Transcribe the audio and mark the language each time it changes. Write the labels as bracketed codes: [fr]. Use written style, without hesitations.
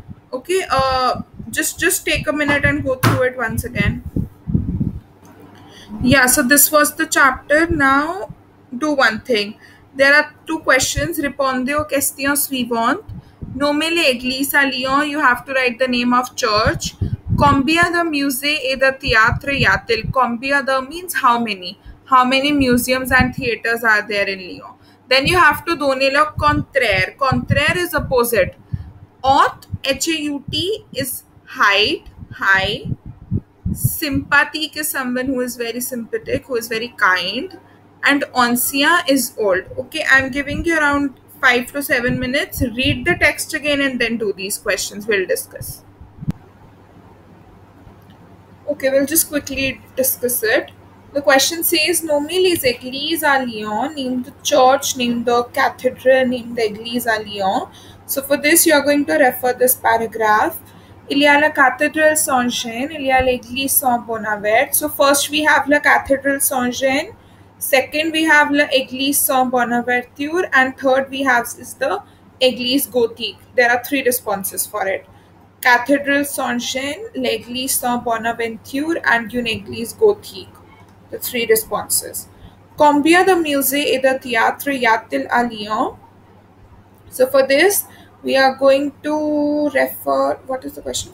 [en] Okay, just take a minute and go through it once again. Yeah, so this was the chapter. Now, do one thing. There are two questions. [fr] Répondez aux questions suivantes. Nommez l'église à Lyon. [en] You have to write the name of church. [fr] Combien de musées et de théâtres y a-t-il? Combien de [en] means how many? How many museums and theaters are there in Lyon? Then you have to [fr] donner le contraire. [en] Contraire is opposite. Haut, H-A-U-T, is height, high. Sympathique is someone who is very sympathetic, who is very kind, and ancien is old. Okay, I'm giving you around 5 to 7 minutes. Read the text again and then do these questions. We'll discuss. Okay, we'll just quickly discuss it. The question says, [fr] nommez les églises à Lyon, [en] name the church, name the cathedral, name the [fr] église à Lyon. [en] So for this, you are going to refer this paragraph. [fr] Il y a la cathédrale Saint-Jean, il y a l'église Saint-Bonaventure. [en] So first we have la cathédrale Saint-Jean, second we have la église Saint-Bonaventure, and third we have is the église Gothique. There are three responses for it. [fr] Cathedral Sonchin, L'Église Saint Bonaventure, and une église gothique. [en] The three responses. [fr] Combien de musées et de théâtres y a-t-il à Lyon? [en] So for this, we are going to refer, what is the question?